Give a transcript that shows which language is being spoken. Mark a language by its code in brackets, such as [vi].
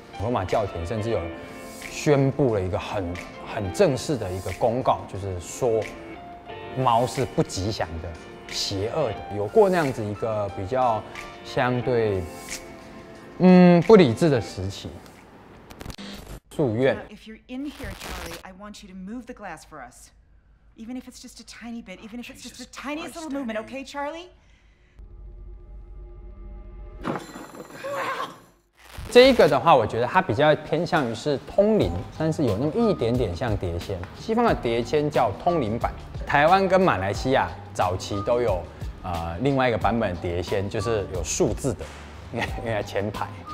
[zh] 罗马教廷甚至有宣布了一个很正式的一个公告，就是说猫是不吉祥的、邪恶的，有过那样子一个比较相对不理智的时期。住院。 [en] Now, if you're in here, Charlie, I want you to move the glass for us. Even if it's just a tiny bit, even if it's just the tiniest little movement, okay, Charlie? [zh] 这个的话，我觉得它比较偏向于是通灵，但是有那么一点点像碟仙。西方的碟仙叫通灵版，台湾跟马来西亚早期都有另外一个版本的碟仙，就是有数字的，应该前排。